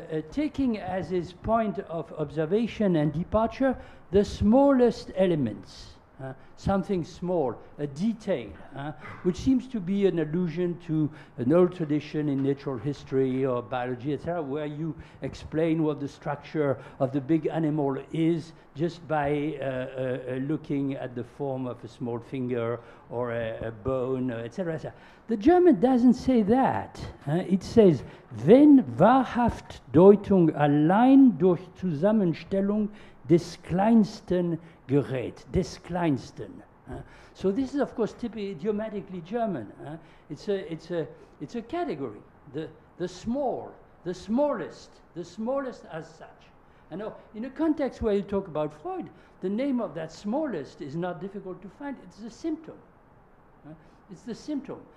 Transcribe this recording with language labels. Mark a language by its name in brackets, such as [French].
[English] taking as his point of observation and departure the smallest elements, something small, a detail, which seems to be an allusion to an old tradition in natural history or biology, etc., where you explain what the structure of the big animal is just by looking at the form of a small finger or a bone, etc., etc. The German doesn't say that. It says, [German] wenn wahrhaft Deutung allein durch Zusammenstellung des kleinsten Gerät, des kleinsten. [English] So this is, of course, typically idiomatically German. It's a category, the smallest as such. And in a context where you talk about Freud, the name of that smallest is not difficult to find. It's the symptom. It's the symptom.